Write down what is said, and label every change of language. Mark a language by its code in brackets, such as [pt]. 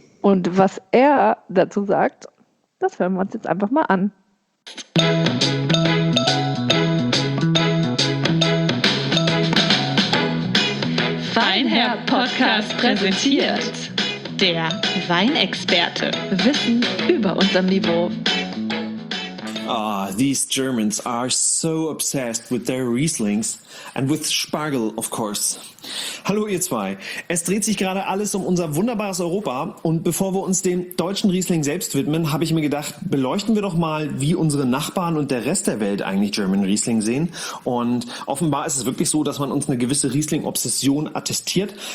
[de] Und was er dazu sagt, das hören wir uns jetzt einfach mal an. Feinherb Podcast präsentiert der Weinexperte. Wissen über unserem Niveau. [en] Ah, oh, these Germans are so obsessed with their Rieslings and with Spargel, of course. [de] Hallo ihr zwei. Es dreht sich gerade alles um unser wunderbares Europa. Und bevor wir uns dem deutschen Riesling selbst widmen, habe ich mir gedacht, beleuchten wir doch mal, wie unsere Nachbarn und der Rest der Welt eigentlich German Riesling sehen. Und offenbar ist es wirklich so, dass man uns eine gewisse Riesling-Obsession attestiert.